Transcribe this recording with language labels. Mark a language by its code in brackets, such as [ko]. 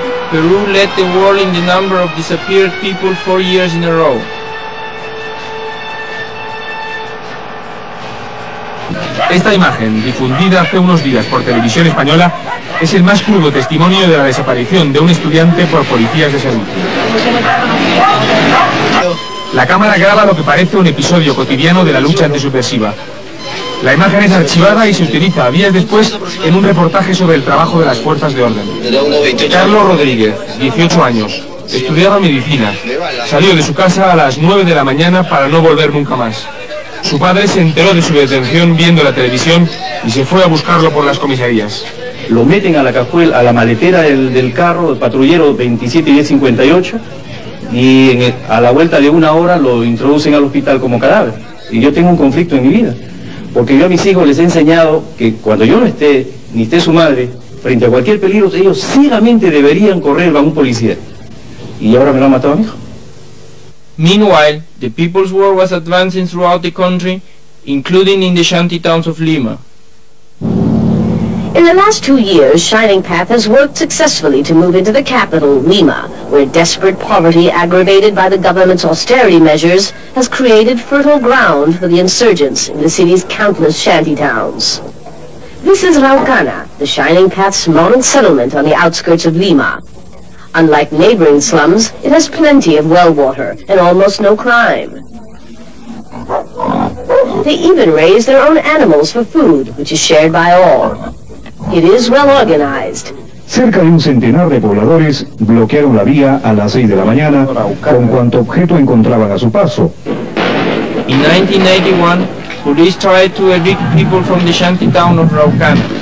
[en] Peru led the world in the number of disappeared people 4 years in a row. [es] Esta imagen, difundida hace unos días por Televisión Española, es el más crudo testimonio de la desaparición de un estudiante por policías de servicio. La cámara graba lo que parece un episodio cotidiano de la lucha antisubversiva. La imagen es archivada y se utiliza días después en un reportaje sobre el trabajo de las fuerzas de orden. Carlos Rodríguez, 18 años, estudiaba medicina. Salió de su casa a las 9 de la mañana para no volver nunca más. Su padre se enteró de su detención viendo la televisión y se fue a buscarlo por las comisarías. Lo meten a la cajuela, a la maletera del carro, el patrullero 27-58, y a la vuelta de una hora lo introducen al hospital como cadáver. Y yo tengo un conflicto en mi vida, porque yo a mis hijos les he enseñado que cuando yo no esté, ni esté su madre, frente a cualquier peligro, ellos ciegamente deberían correr a un policía. Y ahora me lo ha matado a mi hijo. [en] Meanwhile, the people's war was advancing throughout the country, including in the shanty towns of Lima. In the last 2 years, Shining Path has worked successfully to move into the capital, Lima, where desperate poverty aggravated by the government's austerity measures has created fertile ground for the insurgents in the city's countless shanty towns. This is Raucana, the Shining Path's model settlement on the outskirts of Lima. Unlike neighboring slums, it has plenty of well water and almost no crime. They even raise their own animals for food, which is shared by all. It is well organized. [es] Cerca de un centenar de pobladores bloquearon la vía a las 6 de la mañana con cuanto objeto encontraban a su paso. [en] In 1991, police tried to evict people from the shanty town of Raucana.